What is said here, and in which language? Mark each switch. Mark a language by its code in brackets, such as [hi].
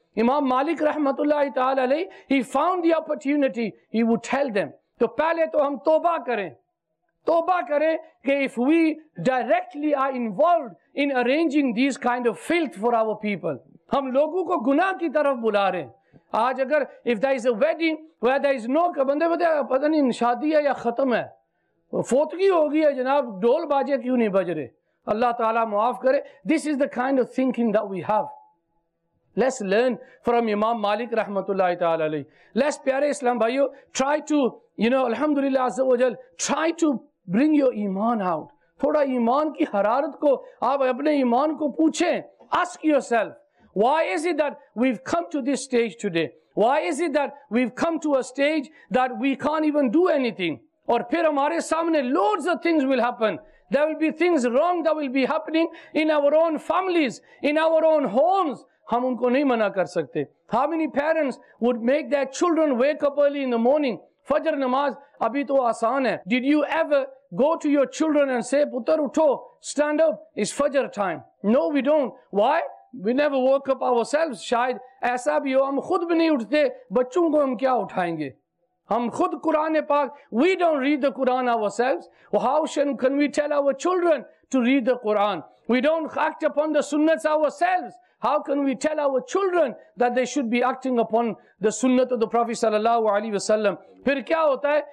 [en] Imam Malik rahmatullahi ta'ala alayhi, he found the opportunity, he would tell them. [ur] To pehle to hum toba karein. توبہ کرے کہ [en] if we directly are involved in arranging these kind of filth for our people, [ur] ہم لوگوں کو گناہ کی طرف بلا رہے ہیں. آج اگر [en] if there is a wedding where there is no [ur] بندے بتایا پتہ نہیں شادی ہے یا ختم ہے, فوتگی ہو گئی ہے جناب, ڈول باجے کیوں نہیں بج رہے, اللہ تعالیٰ معاف کرے. [en] This is the kind of thinking that we have. Let's learn from Imam Malik rahmatullahi ta'ala alayhi. Let's, [ur] pyare Islam bhaiyo, [en] try to, you know, alhamdulillah azza wa jal, try to bring your iman out. [ur] Thoda iman ki hararat ko, aap apne iman ko poochhe. [en] Ask yourself, why is it that we've come to this stage today? Why is it that we've come to a stage that we can't even do anything? [ur] Aur phir humare samne [en] loads of things will happen. There will be things wrong that will be happening in our own families, in our own homes. [ur] ہم ان کو نہیں منع کر سکتے. [en] How many parents would make their children wake up early in the morning? [ur] فجر نماز ابھی تو آسان ہے. [en] Did you ever go to your children and say, [ur] پتر اٹھو, [en] stand up, it's فجر time? No, we don't. Why? We never woke up ourselves. [ur] شاید ایسا بھی ہو, ہم خود بھی نہیں اٹھتے, بچوں کو ہم کیا اٹھائیں گے. ہم خود قرآن پاک, [en] we don't read the Quran ourselves. How can we tell our children to read the Quran? We don't act upon the sunnahs ourselves. How can we tell our children that they should be acting upon the sunnah of the Prophet sallallahu alaihi wasallam? [ur] Phir kya hota hai?